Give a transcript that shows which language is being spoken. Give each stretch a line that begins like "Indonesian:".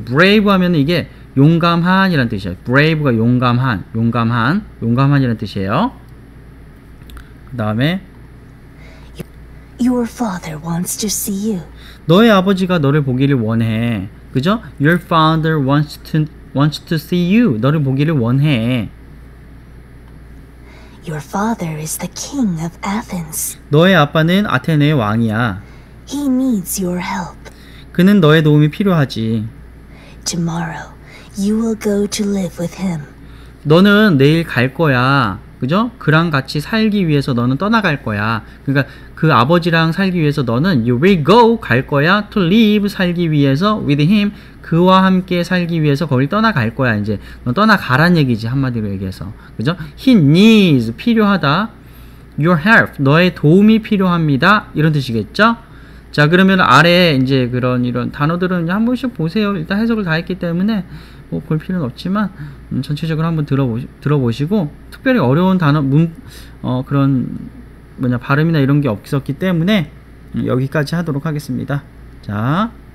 Korean: Brave 하면 이게 용감한이란 뜻이야. Brave가 용감한, 용감한, 용감한이란 뜻이에요. 그다음에
English: Your father wants to see you.
Korean: 너의 아버지가 너를 보기를 원해. 그죠?
English: Your father wants to see you.
Korean: 너를 보기를 원해.
English: Your father is the king of Athens.
Korean: 너의 아빠는 아테네의 왕이야.
English: He needs your help.
Korean: 그는 너의 도움이 필요하지.
English: Tomorrow you will go to live with him.
Korean: 너는 내일 갈 거야. 그죠? 그랑 같이 살기 위해서 너는 떠나갈 거야. 그러니까 그 아버지랑 살기 위해서 너는
English: you will go
Korean: 갈 거야.
English: to live
Korean: 살기 위해서
English: with him
Korean: 그와 함께 살기 위해서 거길 떠나갈 거야. 이제 너 떠나가란 얘기지 한마디로 얘기해서. 그죠?
English: he needs
Korean: 필요하다.
English: your help
Korean: 너의 도움이 필요합니다. 이런 뜻이겠죠? 자, 그러면 아래에 이제 그런 이런 단어들은 이제 한 번씩 보세요. 일단 해석을 다 했기 때문에 뭐 볼 필요는 없지만 전체적으로 한번 들어보시고 특별히 어려운 단어 그런 뭐냐 발음이나 이런 게 없었기 때문에 여기까지 하도록 하겠습니다. 자.